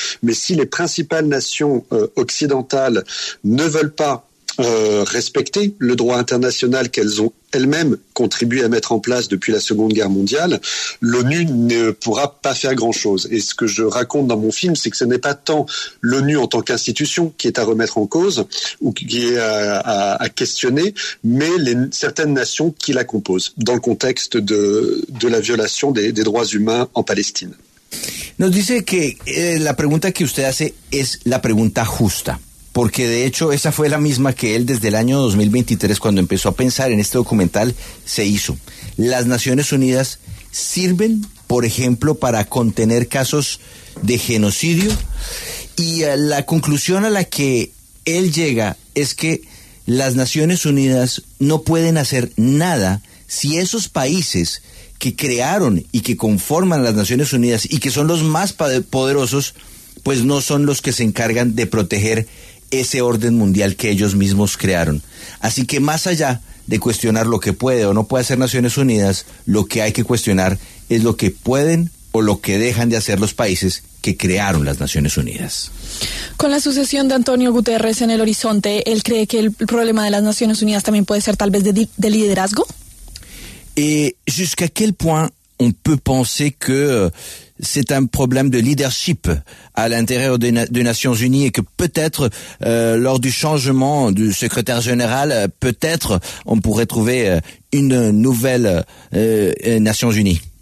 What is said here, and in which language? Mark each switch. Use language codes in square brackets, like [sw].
[fr] Mais si les principales nations occidentales ne veulent pas respecter le droit international qu'elles ont elles-mêmes contribué à mettre en place depuis la Seconde Guerre mondiale, l'ONU ne pourra pas faire grand-chose. Et ce que je raconte dans mon film, c'est que ce n'est pas tant l'ONU en tant qu'institution qui est à remettre en cause ou qui est à questionner, mais certaines nations qui la composent dans le contexte de la violation des droits humains en Palestine. [es] Nos dice que la pregunta que usted hace es la pregunta justa. Porque de hecho esa fue la misma que él desde el año 2023, cuando empezó a pensar en este documental, se hizo. ¿Las Naciones Unidas sirven, por ejemplo, para contener casos de genocidio? Y la conclusión a la que él llega es que las Naciones Unidas no pueden hacer nada si esos países que crearon y que conforman las Naciones Unidas y que son los más poderosos, pues no son los que se encargan de proteger ese orden mundial que ellos mismos crearon. Así que más allá de cuestionar lo que puede o no puede hacer Naciones Unidas, lo que hay que cuestionar es lo que pueden o lo que dejan de hacer los países que crearon las Naciones Unidas. Con la sucesión de Antonio Guterres en el horizonte, ¿él cree que el problema de las Naciones Unidas también puede ser tal vez de liderazgo? [fr] ¿Jusqu'à quel point on peut penser que c'est un problème de leadership à l'intérieur des Nations Unies et que peut-être, lors du changement du secrétaire général, peut-être on pourrait trouver une nouvelle Nations Unies?